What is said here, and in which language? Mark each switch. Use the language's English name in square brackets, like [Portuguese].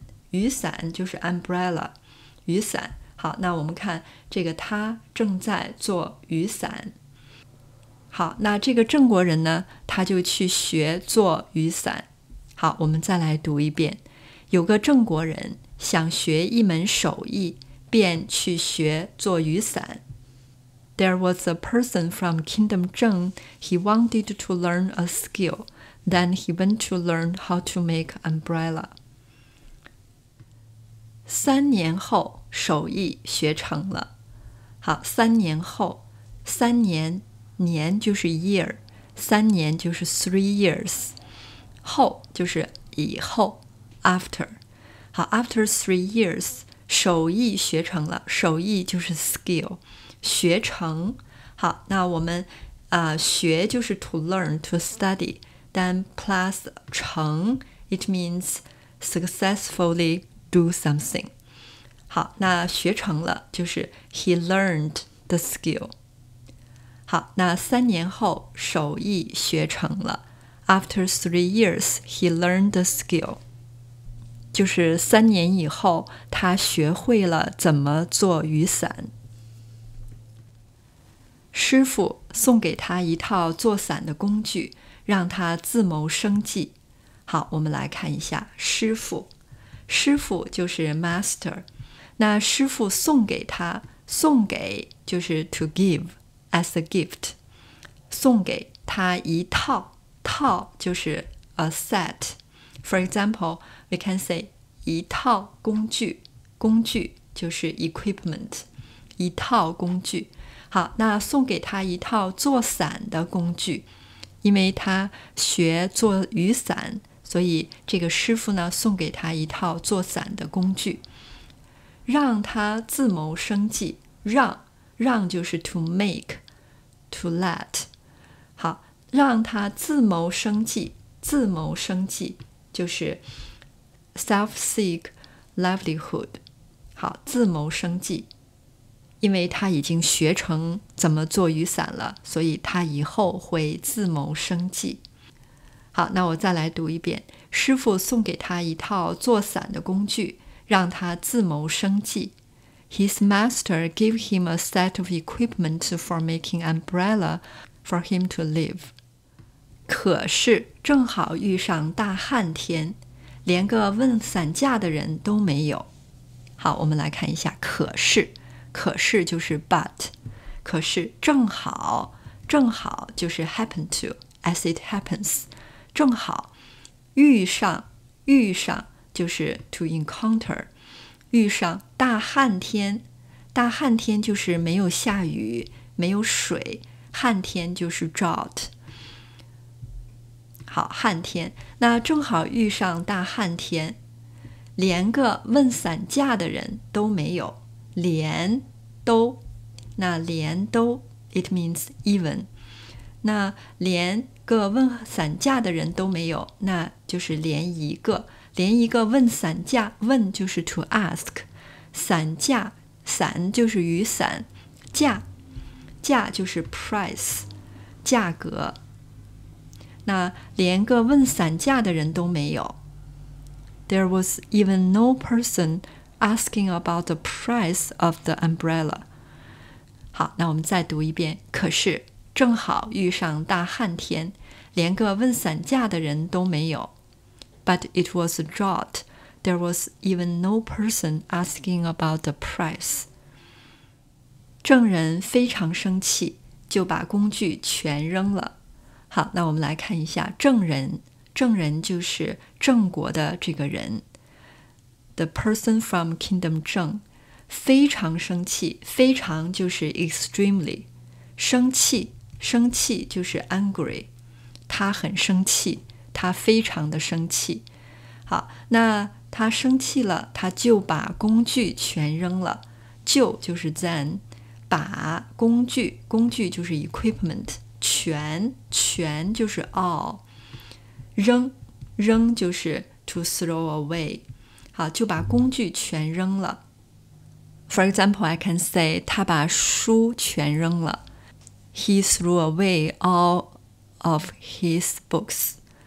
[Chinese] 雨伞就是 umbrella， 雨伞。好，那我们看这个他正在做雨伞。好，那这个郑国人呢，他就去学做雨伞。好，我们再来读一遍。有个郑国人想学一门手艺，便去学做雨伞。 [English] There was a person from Kingdom Zheng. He wanted to learn a skill. Then he went to learn how to make umbrella. [Chinese] 三年后，手艺学成了。好，三年后，三年，年就是 year， 三年就是 [English] 3 years， [Chinese] 后就是以后 ，after。好 ， [English] after 3 years， [Chinese] 手艺学成了。手艺就是 skill。学成，好，那我们学就是 [English] to learn, to study, 但 plus 成 it means successfully do something. [Chinese] 好，那学成了就是 [English] he learned the skill. [Chinese] 好，那三年后手艺学成了。 [English] After 3 years, he learned the skill. [Chinese] 就是三年以后他学会了怎么做雨伞。师傅送给他一套做伞的工具，让他自谋生计。好，我们来看一下师傅。师傅就是 master。那师傅送给他，送给就是 [English] to give as a gift。 [Chinese] 送给他一套，套就是 [English] a set。 For example, we can say [Chinese] 一套工具，工具就是 [English] equipment， [Chinese] 一套工具。好，那送给他一套做伞的工具，因为他学做雨伞，所以这个师傅呢送给他一套做伞的工具，让他自谋生计。让就是 [English] to make， to let。 [Chinese] 好，让他自谋生计。自谋生计就是 [English] self-seek livelihood。 [Chinese] 好，自谋生计，因为他已经学成怎么做雨伞了，所以他以后会自谋生计。好，那我再来读一遍。师傅送给他一套做伞的工具，让他自谋生计。 [English] His master gave him a set of equipment for making umbrella for him to live. [Chinese] 可是正好遇上大旱天，连个问伞架的人都没有。好，我们来看一下可是。可是就是 but。可是正好，正好就是 [English] happen to, as it happens。 [Chinese] 正好遇上，遇上就是 [English] to encounter。 [Chinese] 遇上大旱天，大旱天就是没有下雨，没有水，旱天就是 drought。好，旱天，那正好遇上大旱天，连个问伞架的人都没有，连都，那连都 [English] it means even， [Chinese] 那连个问伞架的人都没有，那就是连一个。连一个问伞架，问就是 [English] to ask， [Chinese] 伞架，伞就是雨伞，架，架就是 price， 价格。那连个问伞架的人都没有。 [English] There was even no person asking about the price of the umbrella。 [Chinese] 好，那我们再读一遍。可是正好遇上大旱天，连个问伞架的人都没有。 [English] But it was a drought. There was even no person asking about the price. [Chinese] 郑人非常生气，就把工具全扔了。好，那我们来看一下郑人。郑人就是郑国的这个人。 [English] The person from Kingdom Zheng. [Chinese] 非常生气，非常就是 extremely. 生气，生气就是 angry. 他很生气。他非常的生气。好，那他生气了，他就把工具全扔了。就是 then， 把工具，工具就是 equipment， 全就是 all， 扔就是 [English] to throw away。 [Chinese] 好，就把工具全扔了。 [English] For example， I can say [Chinese] 他把书全扔了。 [English] He threw away all of his books。